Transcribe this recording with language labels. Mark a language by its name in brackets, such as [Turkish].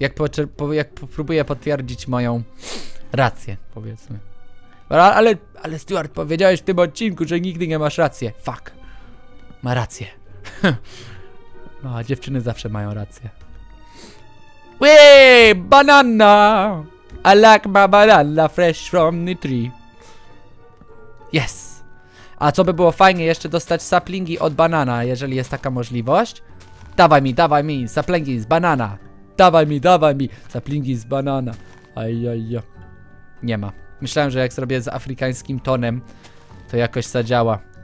[Polish] Jak próbuję potwierdzić moją rację, powiedzmy. Ale Stuart, powiedziałeś w tym odcinku, że nigdy nie masz rację. Fuck. Ma rację. No, a dziewczyny zawsze mają rację. [English] Wee! Banana! I like my banana fresh from the tree. Yes! [Polish] A co by było fajnie, jeszcze dostać saplingi od banana, jeżeli jest taka możliwość. Dawaj mi, saplingi z banana. Dawaj mi, saplingi z banana. Ajajaj. Nie ma. Myślałem, że jak zrobię z afrykańskim tonem, to jakoś zadziała.